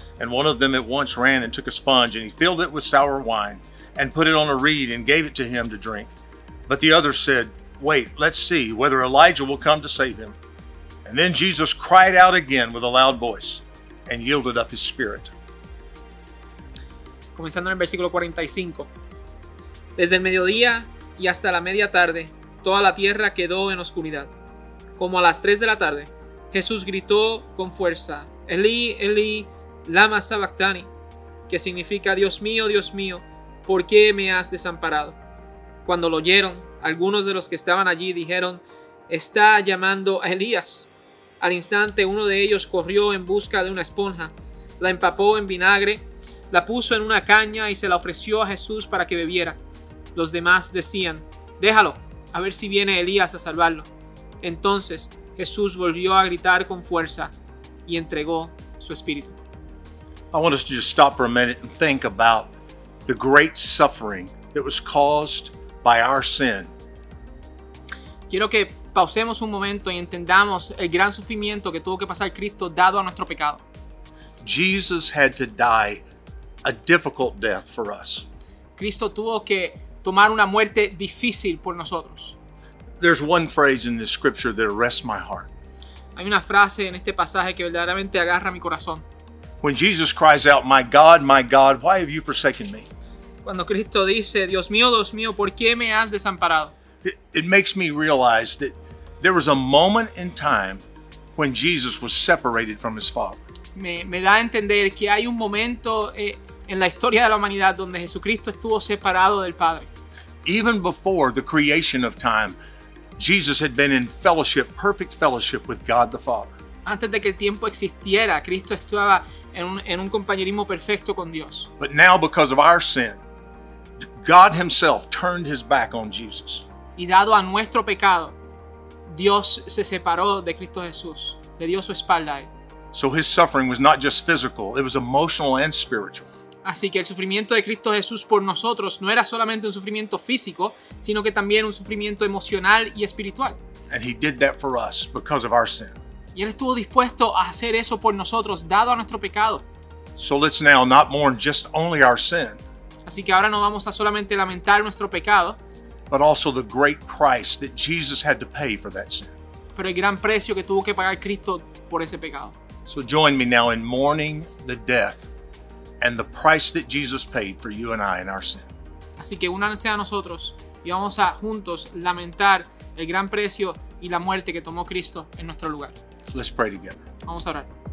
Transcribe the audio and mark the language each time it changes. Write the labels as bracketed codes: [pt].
[en] And one of them at once ran and took a sponge, and he filled it with sour wine and put it on a reed and gave it to him to drink. But the others said, "Wait, let's see whether Elijah will come to save him." And then Jesus cried out again with a loud voice and yielded up his spirit. [es] Comenzando en el versículo 45. Desde el mediodía y hasta la media tarde, toda la tierra quedó en oscuridad. Como a las 3 de la tarde, Jesús gritó con fuerza, [arc] "Eli, Eli, lama sabachthani," [es] que significa, Dios mío, ¿por qué me has desamparado?" Cuando lo oyeron, algunos de los que estaban allí dijeron, "Está llamando a Elías." Al instante, uno de ellos corrió en busca de una esponja, la empapó en vinagre, la puso en una caña y se la ofreció a Jesús para que bebiera. Los demás decían, "Déjalo, a ver si viene Elías a salvarlo." Entonces Jesús volvió a gritar con fuerza y entregó su espíritu. [en] I want us to just stop for a minute and think about the great suffering that was caused by our sin. [es] Quiero que pausemos un momento y entendamos el gran sufrimiento que tuvo que pasar Cristo dado a nuestro pecado. [en] Jesus had to die a difficult death for us. [es] Cristo tuvo que tomar una muerte difícil por nosotros. [en] There's one phrase in this scripture that arrests my heart. [es] Hay una frase en este pasaje que verdaderamente agarra mi corazón. [en] When Jesus cries out, my God, why have you forsaken me? [es] Cuando Cristo dice, Dios mío, ¿por qué me has desamparado? [en] It makes me realize that there was a moment in time when Jesus was separated from his Father. [es] Me da a entender que hay un momento en la historia de la humanidad donde Jesucristo estuvo separado del Padre. [en] Even before the creation of time, Jesus had been in fellowship, perfect fellowship with God the Father. [es] Antes de que el tiempo existiera, Cristo estaba en un compañerismo perfecto con Dios. [en] But now, because of our sin, God himself turned his back on Jesus. [es] Y dado a nuestro pecado, Dios se separó de Cristo Jesús, le dio su espalda a él. [en] So his suffering was not just physical, it was emotional and spiritual. [es] Así que el sufrimiento de Cristo Jesús por nosotros no era solamente un sufrimiento físico, sino que también un sufrimiento emocional y espiritual. [en] And he did that for us because of our sin. [es] Y él estuvo dispuesto a hacer eso por nosotros, dado a nuestro pecado. [en] So let's now not mourn just only our sin. [es] Así que ahora no vamos a solamente lamentar nuestro pecado, [en] but also the great price that Jesus had to pay for that sin. [es] Pero el gran precio que tuvo que pagar Cristo por ese pecado. [en] So join me now in mourning the death and the price that Jesus paid for you and I in our sin. [es] Así que únanse a nosotros y vamos a juntos lamentar el gran precio y la muerte que tomó Cristo en nuestro lugar. [en] Let's pray together. [es] Vamos a orar.